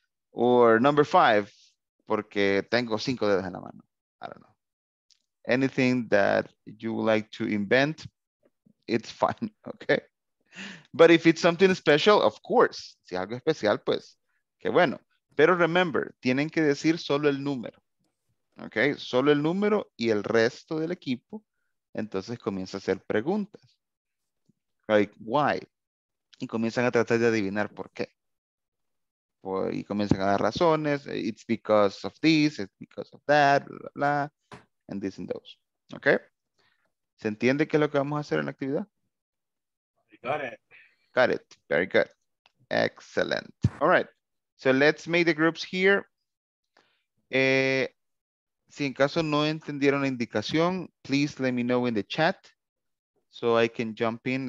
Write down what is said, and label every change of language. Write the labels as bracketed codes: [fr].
[en] Or number 5 [es] porque tengo 5 dedos en la mano. [en] I don't know. Anything that you would like to invent, it's fine, okay? But if it's something special, of course. [es] Si algo especial, pues, qué bueno. Pero [en] remember, [es] tienen que decir solo el número, okay? Solo el número y el resto del equipo. Entonces comienza a hacer preguntas. [en] Like, why? [es] Y comienzan a tratar de adivinar por qué. Y comienzan a dar razones. [en] It's because of this, it's because of that, blah, blah, blah. And this and those. Okay? [es] ¿Se entiende qué es lo que vamos a hacer en la actividad? [en] Got it. Very good. Excellent. All right. So let's make the groups here. [es] Si en caso no entendieron la indicación, [en] please let me know in the chat so I can jump in.